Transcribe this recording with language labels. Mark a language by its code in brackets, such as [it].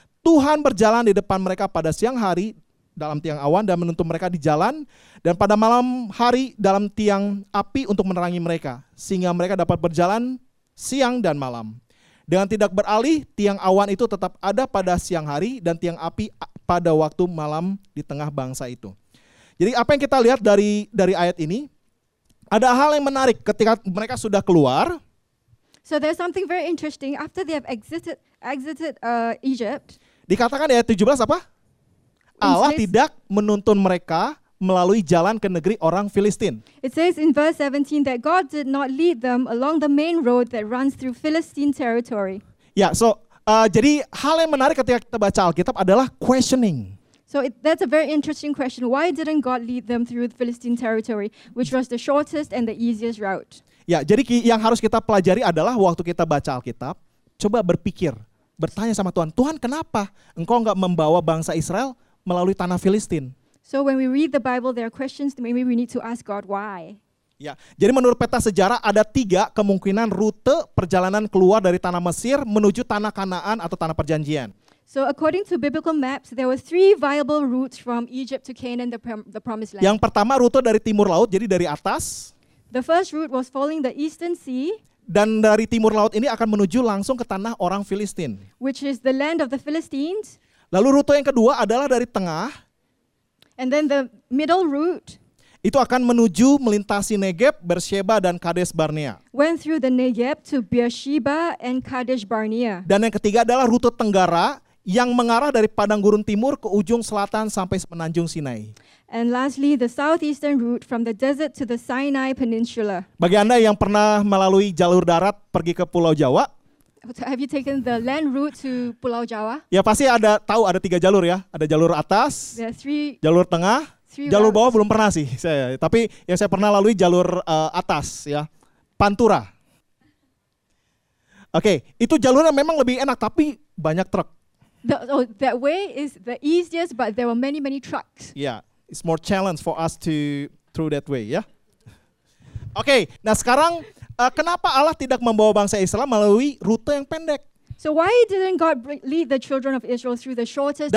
[id] Tuhan berjalan di depan mereka pada siang hari dalam tiang awan dan menuntun mereka di jalan, dan pada malam hari dalam tiang api untuk menerangi mereka, sehingga mereka dapat berjalan siang dan malam. Dengan tidak beralih, tiang awan itu tetap ada pada siang hari dan tiang api pada waktu malam di tengah bangsa itu. Jadi apa yang kita lihat dari ayat ini? Ada hal yang menarik ketika mereka sudah keluar. [en] So there's something very interesting after they have exited Egypt. [id] Dikatakan di ayat 17 apa? Allah tidak menuntun mereka melalui jalan ke negeri orang Filistin. [en] It says in verse 17 that God did not lead them along the main road that runs through Philistine territory. Yeah, so [id] jadi hal yang menarik ketika kita baca Alkitab adalah questioning. [en] So that's a very interesting question. Why didn't God lead them through Philistine territory, which was the shortest and the easiest route? [id] Yeah, jadi yang harus kita pelajari adalah waktu kita baca Alkitab, coba berpikir, bertanya sama Tuhan, Tuhan kenapa Engkau enggak membawa bangsa Israel melalui tanah Filistin? [en] So when we read the Bible, there are questions that maybe we need to ask God why. [id] Ya, jadi menurut peta sejarah ada 3 kemungkinan rute perjalanan keluar dari tanah Mesir menuju tanah Kanaan atau tanah perjanjian. [en] So according to biblical maps, there were 3 viable routes from Egypt to Canaan, the promised land. [id] Yang pertama rute dari timur laut, jadi dari atas. [en] The first route was following the eastern sea. [id] Dan dari timur laut ini akan menuju langsung ke tanah orang Filistin. [en] Which is the land of the Philistines. [id] Lalu rute yang kedua adalah dari tengah. [en] And then the middle route. [id] Itu akan menuju melintasi Negev, Beersheba dan Kadesh Barnea. [en] Went through the Negev to Beersheba and Kadesh Barnea. [id] Dan yang ketiga adalah rute tenggara yang mengarah dari padang gurun timur ke ujung selatan sampai menanjung Sinai. [en] And lastly the southeastern route from the desert to the Sinai Peninsula. [id] Bagi Anda yang pernah melalui jalur darat pergi ke Pulau Jawa. [en] Have you taken the land route to Pulau Jawa? [id] Ya pasti ada tahu ada 3 jalur ya. Ada jalur atas, [en] three, [id] jalur tengah, jalur routes. Bawah belum pernah sih. Tapi yang saya pernah lalui jalur atas ya, Pantura. Oke, itu jalurnya memang lebih enak tapi banyak truk. [en] That way is the easiest but there were many many trucks. Yeah, it's more challenge for us to through that way, ya. [id] Yeah? Oke, okay, nah sekarang kenapa Allah tidak membawa bangsa Israel melalui rute yang pendek? [en] So why didn't God lead the children of Israel through the shortest way?